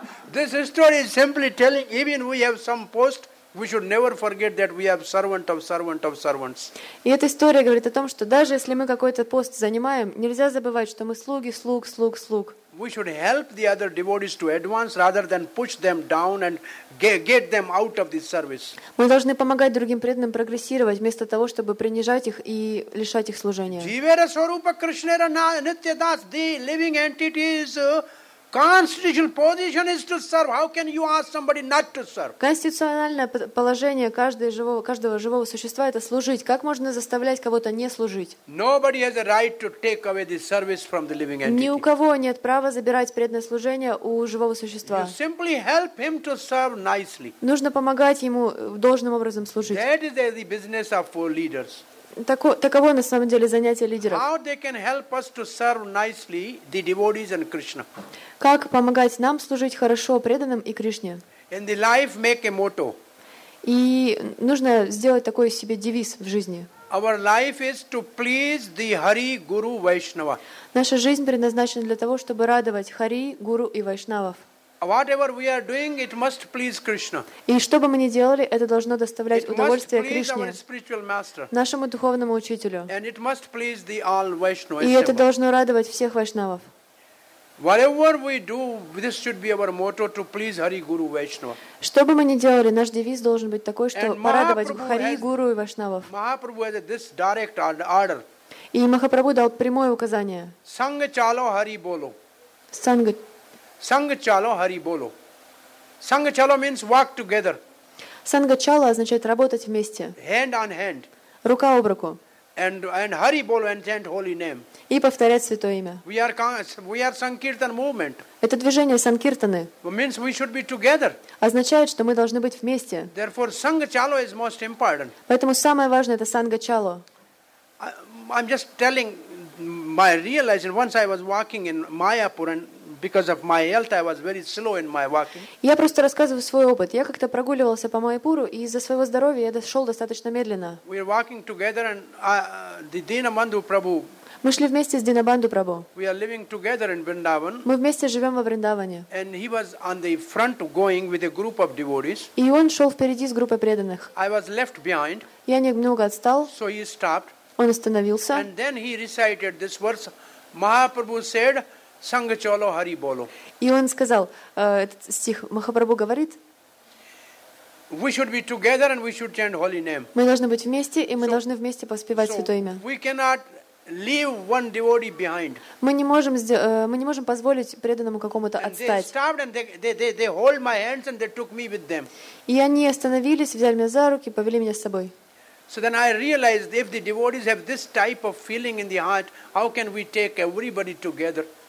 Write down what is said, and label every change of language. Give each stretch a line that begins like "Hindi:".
English: This story is simply telling, even we have some post, we should never forget that we have servant of servant of servants.
Russian: И эта история говорит о том, что даже если мы какой-то пост занимаем, нельзя забывать, что мы слуги, слуг, слуг, слуг.
English: We should help the other devotees to advance rather than push them down and get them out of this service.
Russian: Мы должны помогать другим преданным прогрессировать вместо того, чтобы принижать их и лишать их служения.
Bangla: Jivera Swarupa Krishna Nitya Das,
English: the living entities. Constitutional position is to serve. How can you ask somebody not to serve?
Russian: Конституциональное положение каждого живого существа это служить. Как можно заставлять кого-то не служить?
English: Nobody has a right to take away the service from the living entity.
Russian: Ни у кого нет права забирать преданное служение у живого существа.
English: You simply help him to serve nicely.
Russian: Нужно помогать ему должным образом служить.
English: That is the business of four leaders.
Russian: Таково на самом деле занятие лидеров.
English: How they can help us to serve nicely the devotees and Krishna?
Russian: Как помогать нам служить хорошо преданным и Кришне?
English: In the life, make a motto.
Russian: И нужно сделать такой себе девиз в жизни.
English: our life is to please the Hari Guru Vaishnava.
Russian: Наша жизнь предназначена для того, чтобы радовать Хари, Гуру и Вайшнавов.
English: Whatever we are doing, it must please Krishna.
Russian: И что бы мы ни делали, это должно доставлять удовольствие Кришне.
English: It must please our spiritual master.
Russian: Нашему духовному учителю.
English: And it must please the all Vaishnavas.
Russian: И это должно радовать всех Вайшнавов.
English: Whatever we do, this should be our motto to please Hari Guru Vaishnava.
Russian: Что бы мы ни делали, наш девиз должен быть такой, что порадовать Хари, Гуру и Вайшнавов.
English: Mahaprabhu has this direct order.
Russian: И Махапрабху дал прямое указание.
Bangla: Санга чало Хари боло. Санга. Санга чало Хари боло. Санга чало
English: means walk together.
Russian: Санга чало означает работать вместе.
English: Hand on hand.
Russian: Рука об руку.
English: And Hari Bolo and chant holy name.
Russian: И повторять святое имя.
English: We are Sankirtan movement.
Russian: Это движение Санкиртаны.
English: Means we should be together.
Russian: Означает, что мы должны быть вместе.
English: Therefore, Sangha Chalo is most important.
Russian: Поэтому самое важное это Sangha Chalo.
English: I'm just telling my realization. Once I was walking in Mayapur and because of my health, I was very slow in my walking.
Russian: Я просто рассказываю свой опыт. Я как-то прогуливался по Майпуру, и из-за своего здоровья я шел достаточно медленно.
English: We were walking together, and the Dinabandhu Prabhu.
Russian: Мы шли вместе с Динабанду Прабху.
English: We are living together in Vrindavan.
Russian: Мы вместе живем во Вриндаване.
English: And he was on the front going with a group of devotees.
Russian: И он шел впереди с группой преданных.
English: I was left behind.
Russian: Я немного отстал.
English: So he stopped.
Russian: Он остановился.
English: And then he recited this verse. Mahaprabhu said.
Bangla: Sangha Cholo Hari Bolo.
Russian: И он сказал, этот стих Махапрабху говорит.
English: We should be together and we should chant holy name.
Russian: Мы должны быть вместе и мы должны вместе поспевать святое имя.
English: We cannot leave one devotee behind.
Russian: Мы не можем позволить преданному какому-то отстать.
English: They stopped and they hold my hands and they took me with them.
Russian: И они остановились, взяли меня за руки, повели меня с собой.
English: So then I realized if the devotees have this type of feeling in the heart, how can we take everybody together?